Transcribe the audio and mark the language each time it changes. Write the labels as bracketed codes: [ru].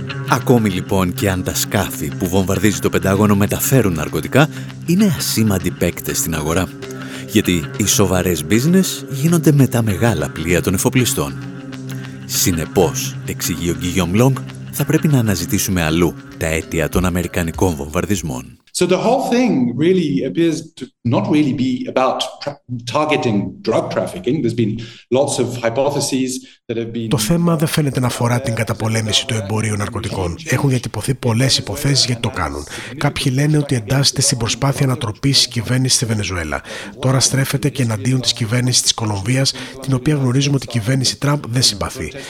[el] Ακόμη λοιπόν και αν τα σκάφη που βομβαρδίζει το Πεντάγωνο μεταφέρουν ναρκωτικά, είναι ασήμαντοι παίκτες στην αγορά. Γιατί οι σοβαρές business γίνονται με τα μεγάλα πλοία των εφοπλιστών. Συνεπώς, εξηγεί ο Guillaume Long, θα πρέπει να αναζητήσουμε αλλού τα αίτια των αμερικανικών βομβαρδισμών. [en] So the whole thing really appears to not really be about targeting drug trafficking. There's been lots of hypotheses. [el] Το θέμα δεν φαίνεται να αφορά την καταπολέμηση του εμπορίου ναρκωτικών. Έχουν διατυπωθεί πολλές υποθέσεις γιατί το κάνουν. Κάποιοι λένε ότι εντάσσεται στην προσπάθεια ανατροπής της κυβέρνησης στη Βενεζουέλα. Τώρα στρέφεται και εναντίον της κυβέρνησης της Κολομβίας, την οποία γνωρίζουμε ότι η κυβέρνηση Τραμπ δεν συμπαθεί.